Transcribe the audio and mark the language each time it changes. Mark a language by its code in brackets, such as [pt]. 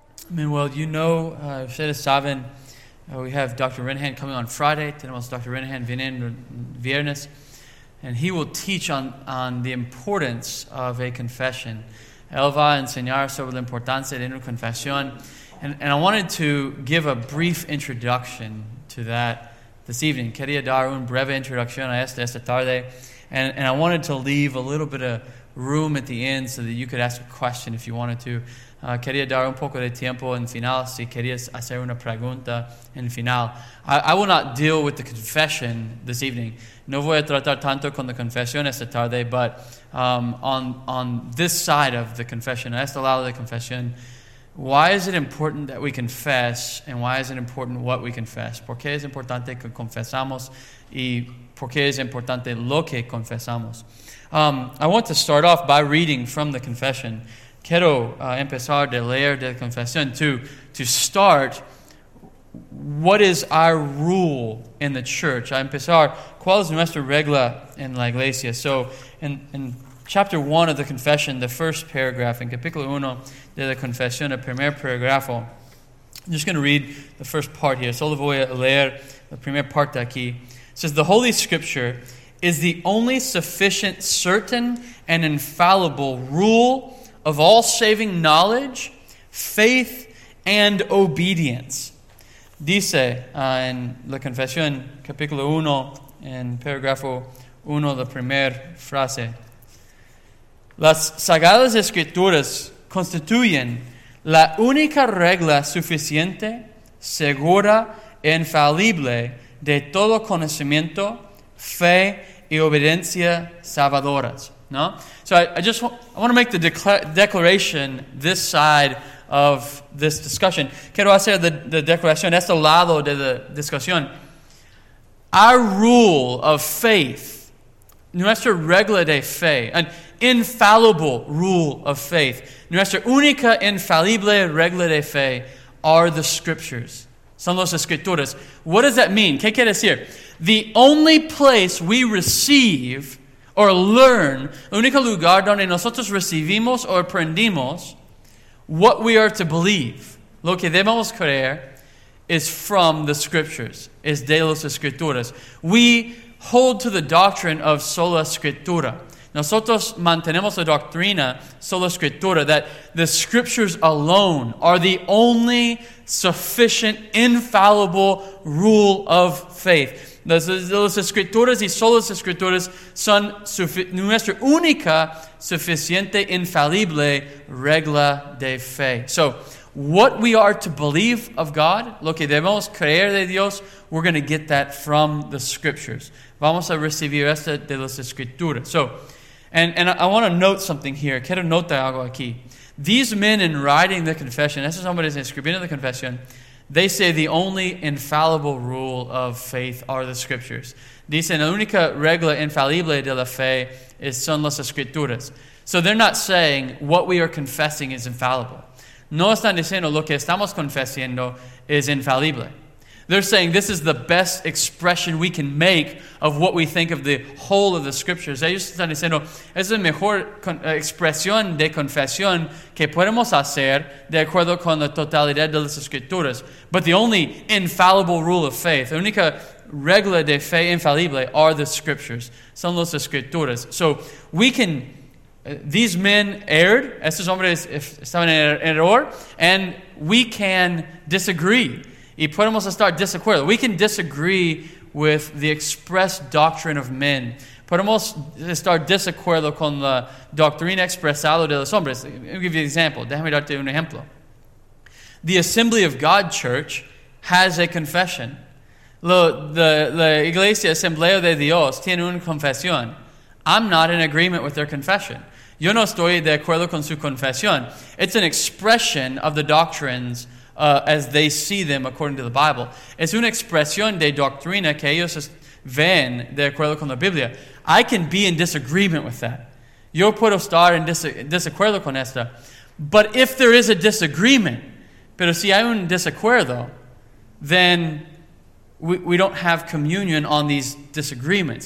[en] Manuel, you know, Shada Savin, we have Dr. [es] Renahan [en] coming on Friday. [es] Tenemos Dr. Renahan viene en viernes. [en] And he will teach on the importance of a confession. [es] Él va a enseñar sobre la importancia de una confesión. [en] And I wanted to give a brief introduction to that this evening. [es] Quería dar un breve introducción a esta tarde. [en] And I wanted to leave a little bit of room at the end so that you could ask a question if you wanted to. [es] Quería dar un poco de tiempo en final si querías hacer una pregunta en final. [en] I will not deal with the confession this evening. [es] No voy a tratar tanto con la confesión esta tarde, [en] but on this side of the confession, [es] a este lado de confesión, [en] why is it important that we confess, and why is it important what we confess? [es] ¿Por qué es importante que confesamos, y por qué es importante lo que confesamos? [en] I want to start off by reading from the confession. [es] Quiero empezar de leer de la confesión [en] to start what is our rule in the church. [es] A empezar, ¿cuál es nuestra regla en la iglesia? [en] So in chapter 1 of the confession, the first paragraph, in [es] capítulo 1 de la confesión, el primer paragrafo, [en] I'm just going to read the first part here. [es] Solo voy a leer la primer parte aquí. [en] It says, the Holy Scripture is the only sufficient, certain, and infallible rule of all saving knowledge, faith, and obedience. [es] Dice en la confesión, capítulo 1, en paragrafo 1, la primera frase. Las sagradas escrituras constituyen la única regla suficiente, segura e infalible de todo conocimiento, fe y obediencia salvadoras. No? [en] So I want to make the declaration this side of this discussion. [es] Quiero hacer the declaración, este lado de la discusión. [en] Our rule of faith, [es] nuestra regla de fe, [en] an infallible rule of faith, [es] nuestra única infalible regla de fe, [en] are the scriptures. [es] Son las escrituras. [en] What does that mean? [es] ¿Qué quiere decir? [en] The only place we receive or learn, [es] el único lugar donde nosotros recibimos o aprendimos [en] what we are to believe, [es] lo que debemos creer, [en] is from the scriptures, [es] es de las escrituras. [en] We hold to the doctrine of sola escritura. [es] Nosotros mantenemos la doctrina sola escritura, [en] that the scriptures alone are the only sufficient, infallible rule of faith. [es] Las escrituras y solas escrituras son nuestra única, suficiente, infalible regla de fe. [en] So, what we are to believe of God, [es] lo que debemos creer de Dios, [en] we're going to get that from the scriptures. [es] Vamos a recibir esto de las escrituras. [en] So, and I want to note something here. [es] Quiero notar algo aquí. [en] These men in writing the confession, [es] estos hombres escribiendo la confesión, [en] they say the only infallible rule of faith are the scriptures. [es] Dicen, la única regla infalible de la fe es son las escrituras. [en] So they're not saying what we are confessing is infallible. [es] No están diciendo lo que estamos confesando es infalible. [en] They're saying this is the best expression we can make of what we think of the whole of the scriptures. [es] Ellos están diciendo, es la mejor expresión de confesión que podemos hacer de acuerdo con la totalidad de las escrituras. [en] But the only infallible rule of faith, [es] la única regla de fe infalible, [en] are the scriptures. [es] Son las escrituras. [en] So we can, these men erred, [es] estos hombres estaban en error, [en] and we can disagree. [es] Y podemos estar desacuerdo. [en] We can disagree with the express doctrine of men. [es] Podemos estar desacuerdo con la doctrina expresada de los hombres. [en] Let me give you an example. [es] Déjame darte un ejemplo. [en] The Assembly of God Church has a confession. [es] La Iglesia Asamblea de Dios tiene una confesión. [en] I'm not in agreement with their confession. [es] Yo no estoy de acuerdo con su confesión. [en] It's an expression of the doctrines as they see them according to the Bible. [es] Es una expresión de doctrina que ellos ven de acuerdo con la Biblia. [en] I can be in disagreement with that. [es] Yo puedo estar en desacuerdo con esta. [en] But if there is a disagreement, [es] pero si hay un desacuerdo, [en] then we don't have communion on these disagreements.